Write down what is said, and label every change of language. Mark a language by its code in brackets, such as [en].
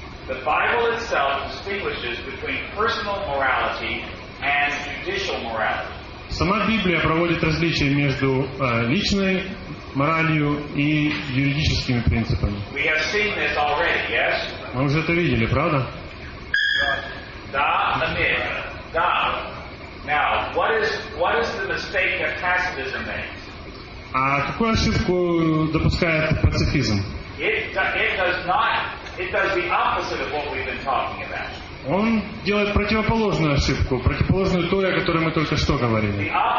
[en] The Bible itself distinguishes between personal morality and judicial morality. [ru] Сама Библия проводит различия между личной моралью и юридическими принципами. [en] We have seen this already, yes? [ru] Мы уже это видели, правда? Да, [en] a bit. [ru] Да. [en] Now, what is the mistake that pacifism makes? [ru] А какую ошибку допускает пацифизм? [en] It does the opposite of what we've been talking about. [ru] Он делает противоположную ошибку, противоположную той, о которой мы только что говорили.